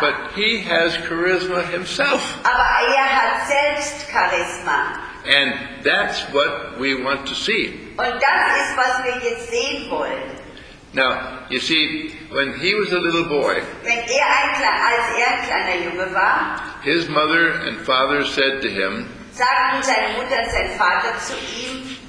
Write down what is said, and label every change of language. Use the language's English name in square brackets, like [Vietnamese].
[English] But he has charisma himself. [German] Aber er hat selbst Charisma. [English] And that's what we want to see. [German] Und das ist, was wir jetzt sehen wollen. [English] Now, you see, when he was a little boy, [German] als er ein kleiner Junge war, [English] his mother and father said to him, [German] sagten seine Mutter und sein Vater zu ihm,